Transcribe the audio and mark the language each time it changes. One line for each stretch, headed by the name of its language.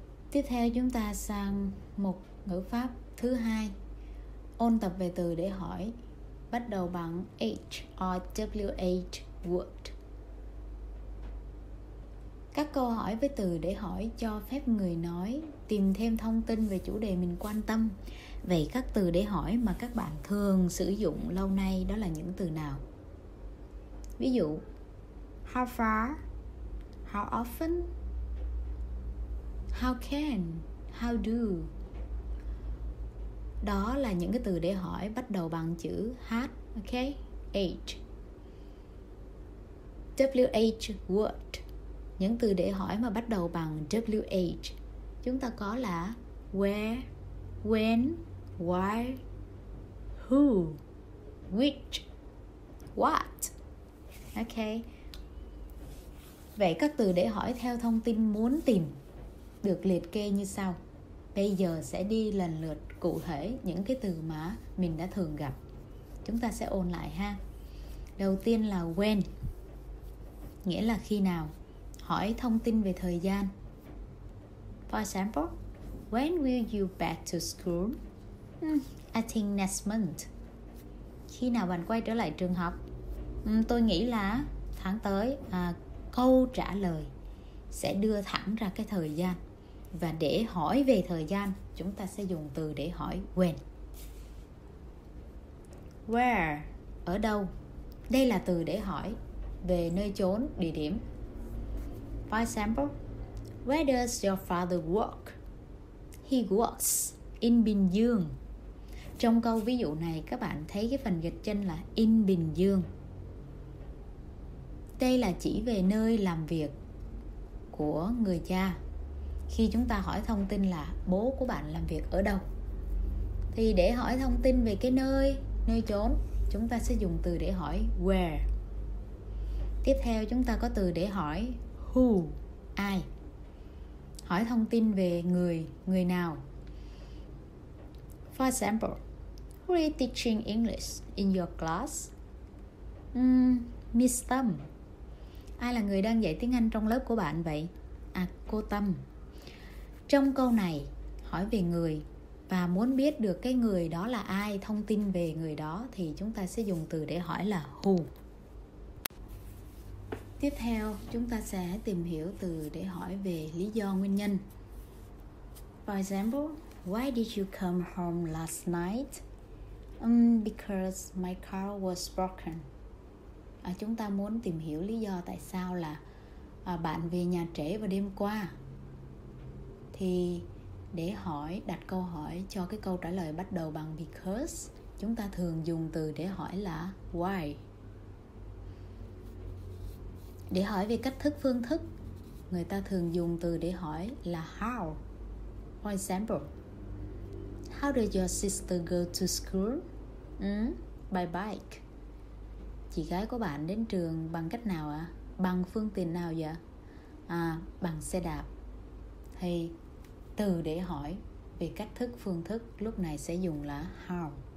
Vietnamese: Tiếp theo chúng ta sang một ngữ pháp thứ hai, ôn tập về từ để hỏi, bắt đầu bằng H or WH word. Các câu hỏi với từ để hỏi cho phép người nói tìm thêm thông tin về chủ đề mình quan tâm. Vậy các từ để hỏi mà các bạn thường sử dụng lâu nay đó là những từ nào? Ví dụ,
English: how far, how often, how can, how do.
Vietnamese: Đó là những cái từ để hỏi bắt đầu bằng chữ H, okay? H. WH word, những từ để hỏi mà bắt đầu bằng WH, chúng ta có là where, when, why, who, which, what. Ok. Vậy các từ để hỏi theo thông tin muốn tìm được liệt kê như sau. Bây giờ sẽ đi lần lượt cụ thể những cái từ mà mình đã thường gặp. Chúng ta sẽ ôn lại ha. Đầu tiên là when, nghĩa là khi nào. Hỏi thông tin về thời gian.
English: For example, when will you back to school? I think next month.
Vietnamese: Khi nào bạn quay trở lại trường học? Tôi nghĩ là tháng tới. Câu trả lời sẽ đưa thẳng ra cái thời gian. Và để hỏi về thời gian, chúng ta sẽ dùng từ để hỏi when. Where, ở đâu? Đây là từ để hỏi về nơi chốn, địa điểm.
English: For example, where does your father work? He works in Bình Dương.
Vietnamese: Trong câu ví dụ này, các bạn thấy cái phần gạch chân là in Bình Dương. Đây là chỉ về nơi làm việc của người cha. Khi chúng ta hỏi thông tin là bố của bạn làm việc ở đâu, thì để hỏi thông tin về cái nơi, nơi chốn, chúng ta sẽ dùng từ để hỏi where. Tiếp theo chúng ta có từ để hỏi who, ai. Hỏi thông tin về người, người nào.
English: For example, who is teaching English in your class? Miss Tâm.
Vietnamese: Ai là người đang dạy tiếng Anh trong lớp của bạn vậy? À, cô Tâm. Trong câu này, hỏi về người và muốn biết được cái người đó là ai, thông tin về người đó, thì chúng ta sẽ dùng từ để hỏi là who. Tiếp theo, chúng ta sẽ tìm hiểu từ để hỏi về lý do, nguyên nhân.
English: For example, why did you come home last night? Because my car was broken.
Vietnamese: Chúng ta muốn tìm hiểu lý do tại sao là bạn về nhà trễ vào đêm qua. Thì để hỏi, đặt câu hỏi cho cái câu trả lời bắt đầu bằng because, chúng ta thường dùng từ để hỏi là why. Để hỏi về cách thức, phương thức, người ta thường dùng từ để hỏi là how.
English: For example, how does your sister go to school? By bike.
Vietnamese: Chị gái của bạn đến trường bằng cách nào ạ? Bằng phương tiện nào vậy? Bằng xe đạp. Thì từ để hỏi về cách thức, phương thức lúc này sẽ dùng là how.